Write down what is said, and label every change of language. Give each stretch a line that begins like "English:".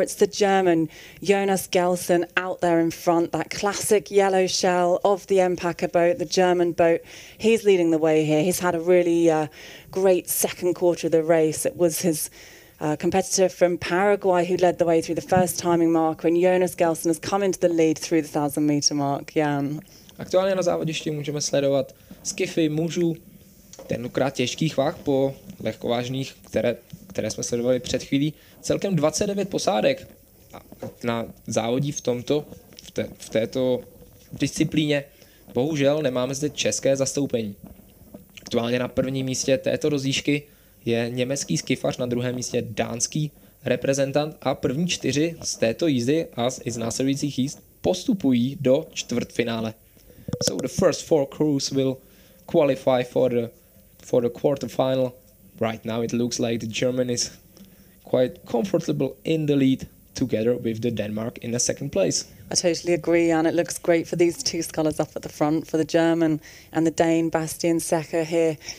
English: It's the German Jonas Gelsen out there in front, that classic yellow shell of the Empaque boat, the German boat. He's leading the way here. He's had a really great second quarter of the race. It was his competitor from Paraguay who led the way through the first timing mark, when Jonas Gelsen has come into the lead through the 1,000-meter mark. Jan.
Czech: Aktuálně na závodišti můžeme sledovat skiffy mužů, tenkrát těžkých vah po lehkovážných, které jsme sledovali před chvílí. Celkem 29 posádek na závodí v této disciplíně. Bohužel nemáme zde české zastoupení. Aktuálně na prvním místě této rozíšky je německý skifař, na druhém místě dánský reprezentant a první čtyři z této jízdy a z následujících jízd postupují do čtvrtfinále.
English: So the first four crews will qualify for the quarterfinal. Right now it looks like the German is quite comfortable in the lead together with the Denmark in the second place. I totally agree, Jan. It looks great for these two scholars up at the front, for the German and the Dane, Bastian Secker here.